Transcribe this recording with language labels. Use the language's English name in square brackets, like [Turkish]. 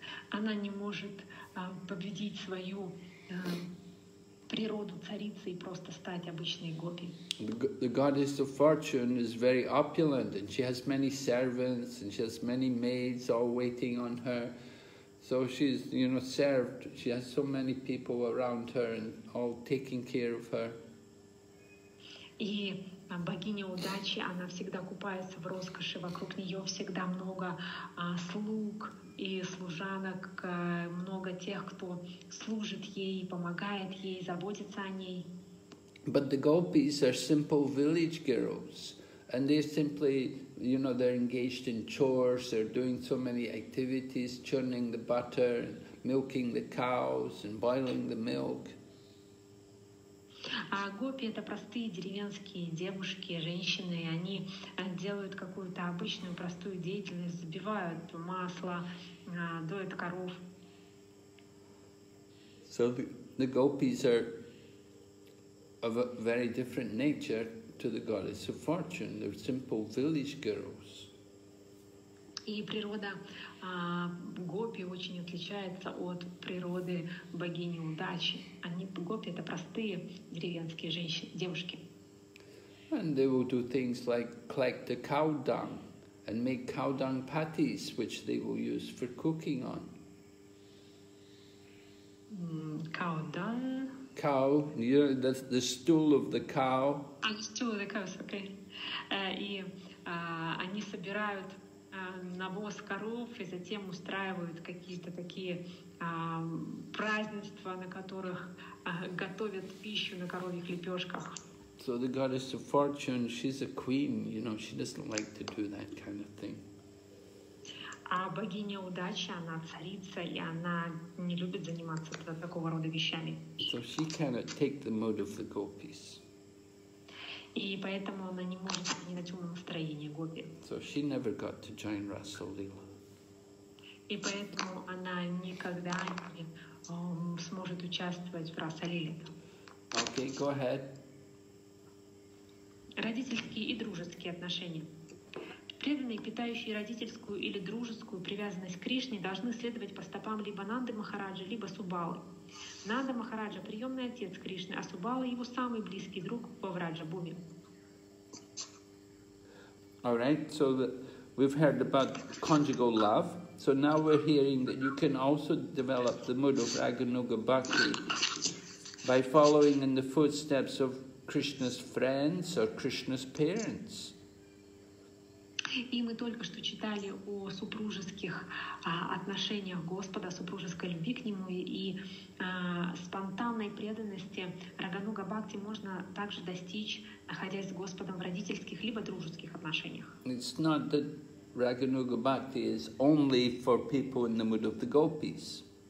[Russian] Она не может победить свою природу царицы и просто стать обычной гопи. [English] The goddess of fortune is very opulent, and she has many servants, and she has many maids all waiting on her. So she's, you know, served. She has so many people around her and all taking care of her. [Russian] И богиня удачи, она всегда купается в роскоши. Вокруг нее всегда много слуг и служанок, много тех, кто служит ей, помогает ей, заботится о ней. [English] But the gopis are simple village girls, and they simply, you know, they're engaged in chores, they're doing so many activities, churning the butter, milking the cows, and boiling the milk. [Russian] А гопи — это простые деревенские девушки, женщины, они делают какую-то обычную простую деятельность, взбивают масло, доят коров. [English] So the gopis are of a very different nature to the goddess of fortune. They're simple village girls. [Russian] И природа гопи очень отличается от природы богини удачи. Они гопи — это простые деревенские женщины, девушки. [English] And they will do things like collect the cow dung and make cow dung patties, which they will use for cooking on. Cow dung. Cow, you know, the stool of the cow. Ah, the stool of the cow, okay. [Russian] И они собирают навоз коров и затем устраивают какие-то такие празднества, на которых готовят пищу на коровьих лепешках. [English] So the goddess of fortune, she's a queen, you know, she doesn't like to do that kind of thing. [Russian] А богиня удачи, она царица, и она не любит заниматься такого рода вещами. [English] So she cannot take the mood of the gopis. [Russian] И поэтому она не может менять ум настроение гопи. [English] So she never got to join Rasalila. [Russian] И поэтому она никогда не сможет участвовать в Расалиле. [English] Okay, go ahead. [Russian] Родительские и дружеские отношения. Преданные, питающие родительскую или дружескую привязанность к Кришне, должны следовать по стопам либо Нанды Махараджа, либо Субалы. Нанда Махараджа – приемный отец Кришны, а Субала – его самый близкий друг во Враджа-бхуме. [English] All right, so we've heard about conjugal love. So now we're hearing that you can also develop the mood of Raganuga Bhakti by following in the footsteps of Krishna's friends or Krishna's parents. [Russian] И мы только что читали о супружеских отношениях Господа, супружеской любви к Нему, и спонтанной преданности Рагануга Бхакти можно также достичь, находясь с Господом в родительских либо дружеских отношениях. [English] It's not that Raganuga Bhakti is only for people in the mood of the gopis.